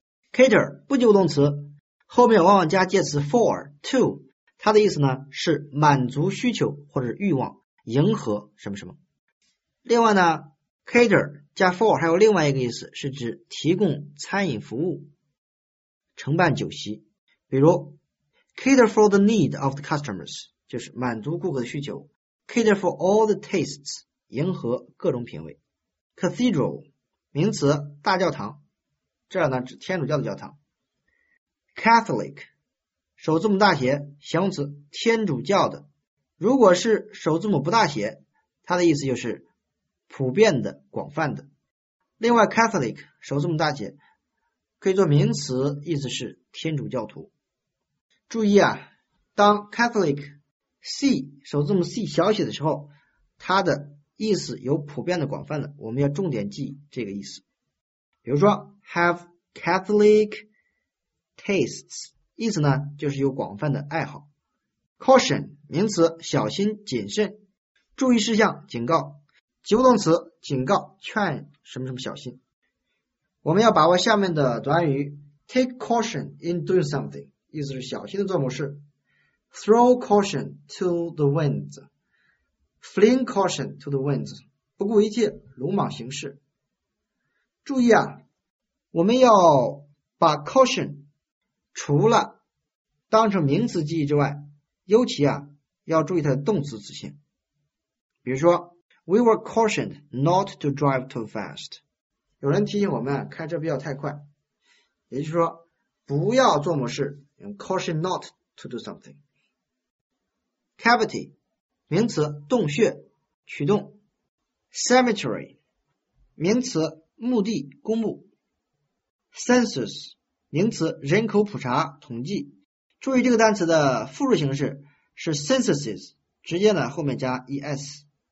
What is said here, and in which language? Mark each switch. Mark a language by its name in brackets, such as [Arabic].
[Chinese] cater 不及物动词，后面往往加介词 for to，它的意思呢是满足需求或者欲望，迎合什么什么。另外呢 cater 加 for 还有另外一个意思，是指提供餐饮服务，承办酒席。比如 [English] cater for the need of the customers [Chinese] 就是满足顾客的需求， [English] cater for all the tastes [Chinese] 迎合各种品味。 cathedral 名词，大教堂，这呢指天主教的教堂。 catholic首字母大写，形容词，天主教的。如果是首字母不大写，它的意思就是普遍的，广泛的。另外 Catholic 首字母大写可以做名词，意思是天主教徒。注意啊，当 Catholic C 首字母 C 小写的时候，它的意思有普遍的，广泛的，我们要重点记这个意思。比如说 [English] Have Catholic tastes， [Chinese] 意思呢就是有广泛的爱好。 caution 名词，小心谨慎，注意事项，警告。及物动词，警告，劝什么什么小心。我们要把握下面的短语， [English] take caution in doing something [Chinese] 意思是小心的做某事。 [English] throw caution to the winds， fling caution to the winds [Chinese] 不顾一切，鲁莽行事。注意啊，我们要把 caution除了当成名词记忆之外，尤其啊要注意它的动词词性。比如说 [English] We were cautioned not to drive too fast， [Chinese] 有人提醒我们开车不要太快，也就是说不要做某事， [English] caution not to do something。 [Chinese] cavity 名词，洞穴，取洞。 cemetery 名词，墓地公墓。census 名词，人口普查统计。注意这个单词的复数形式是 censuses， 直接呢后面加 es。